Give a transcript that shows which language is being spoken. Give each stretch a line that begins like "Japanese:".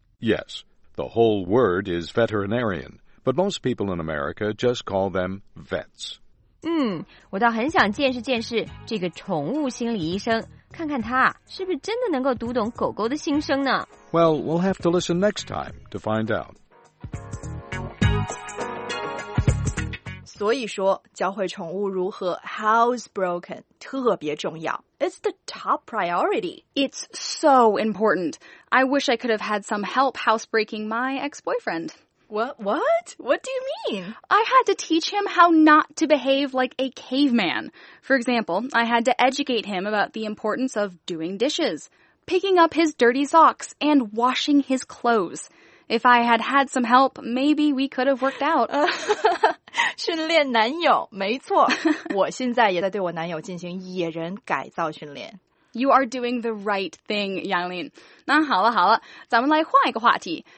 English: Yes, the whole word is veterinarian, but most people in America just call them vets.
Chinese: 嗯，我倒很想见识见识这个宠物心理医生，看看他是不是真的能够读懂狗狗的心声呢？
English: Well, we'll have to listen next time to find out.
Chinese: 所以说，教会宠物如何 housebroken 特别重要。
English: It's the top priority. It's so important. I wish I could have had some help housebreaking my ex-boyfriend. What? What do you mean? I had to teach him how not to behave like a caveman. For example, I had to educate him about the importance of doing dishes, picking up his dirty socks, and washing his clothes. If I had had some help, maybe we could have worked out.
Chinese: 训练男友，没错，我现在也在对我男友进行野人改造训练。
English: You are doing the right thing, Yanglin.
Chinese: 那好了好了，咱们来换一个话题。